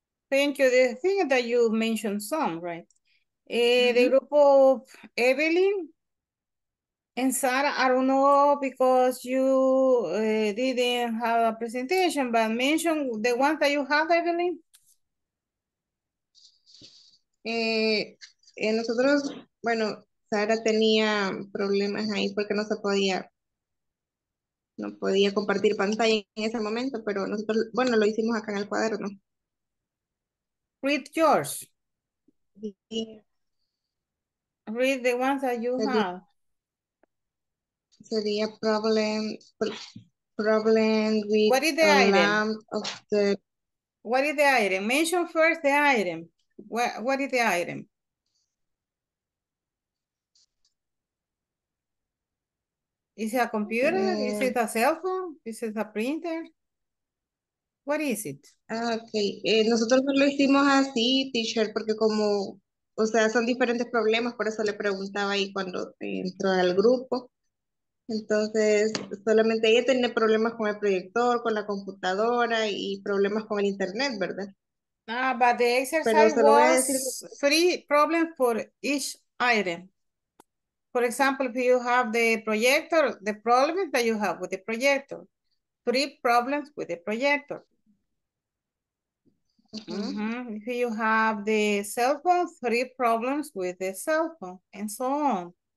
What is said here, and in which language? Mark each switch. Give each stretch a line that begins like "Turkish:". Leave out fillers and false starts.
English: Thank you. The thing that you mentioned some, right? The group of Evelyn and Sarah, I don't know because you didn't have a presentation, but mention the ones that you have, Evelyn.
Spanish: Nosotros, bueno, Sara tenía problemas ahí porque no podía compartir pantalla en ese momento, pero nosotros, bueno, lo hicimos acá en el cuaderno.
English: Read yours. Read the ones that you have.
Spanish: Sería
English: problem with what is the item? What is the item? Mention first the item. What is the item? Is it a computer? Is it a cell phone? Is it a printer? What is it? Okay.
Spanish: Nosotros no lo hicimos así, teacher, porque como, o sea, son diferentes problemas, por eso le preguntaba ahí cuando entró al grupo. Entonces, solamente ella tiene problemas con el proyector, con la computadora y problemas con el internet, ¿verdad?
English: Ah, but the exercise was three problems for each item. For example, if you have the projector, the problems that you have with the projector. Three problems with the projector. If you have the cell phone, three problems with the cell phone, and so on.